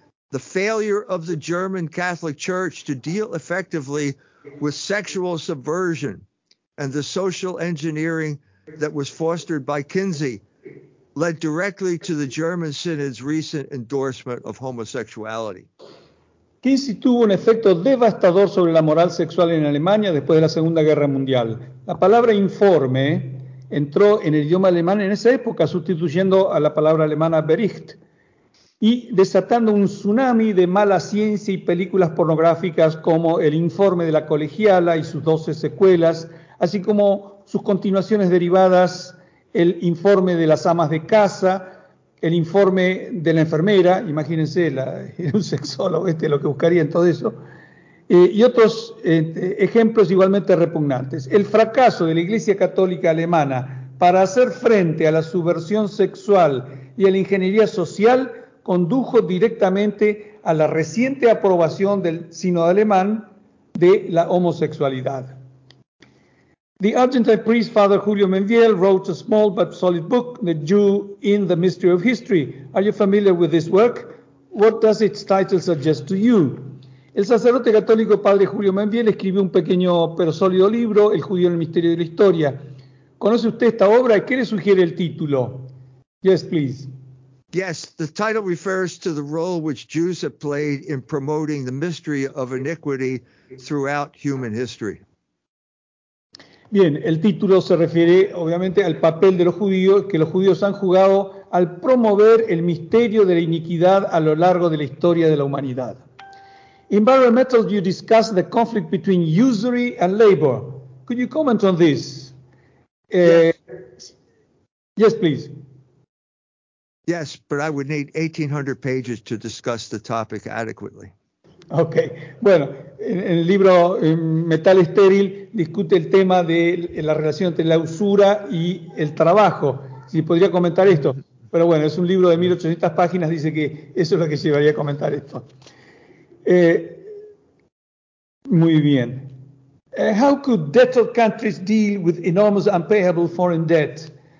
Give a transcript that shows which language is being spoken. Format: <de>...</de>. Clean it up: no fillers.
<en>The failure of the German Catholic Church to deal effectively with sexual subversion and the social engineering that was fostered by Kinsey led directly to the German Synod's recent endorsement of homosexuality.</en> <es>Kinsey tuvo un efecto devastador sobre la moral sexual en Alemania después de la Segunda Guerra Mundial. La palabra informe entró en el idioma alemán en esa época, sustituyendo a la palabra alemana Bericht, y desatando un tsunami de mala ciencia y películas pornográficas como El Informe de la Colegiala y sus 12 secuelas, así como sus continuaciones derivadas, el informe de las amas de casa, el informe de la enfermera, imagínense, un sexólogo, lo que buscaría en todo eso, y otros ejemplos igualmente repugnantes. El fracaso de la Iglesia Católica Alemana para hacer frente a la subversión sexual y a la ingeniería social condujo directamente a la reciente aprobación del Sínodo Alemán de la homosexualidad.</es> <en>The Argentine priest Father Julio Menviel wrote a small but solid book, The Jew in the Mystery of History. Are you familiar with this work? What does its title suggest to you?</en> <es>El sacerdote católico Padre Julio Menviel escribió un pequeño pero sólido libro, El judío en el misterio de la historia. ¿Conoce usted esta obra? ¿Qué le sugiere el título?</es> <en>Yes, please. Yes, the title refers to the role which Jews have played in promoting the mystery of iniquity throughout human history.</en> <es>Bien, el título se refiere obviamente al papel de los judíos, que los judíos han jugado al promover el misterio de la iniquidad a lo largo de la historia de la humanidad.</es> <en>In Barrel Metal, you discuss the conflict between usury and labor. Could you comment on this? Yes, please. Yes, but I would need 1,800 pages to discuss the topic adequately. Okay.</en> <es>Bueno, en el libro Metal Estéril discute el tema de la relación entre la usura y el trabajo. Si podría comentar esto. Pero bueno, es un libro de 1,800 páginas, dice que eso es lo que llevaría a comentar esto. Muy bien.</es> <en>How could debtor countries deal with enormous unpayable foreign debt?</en>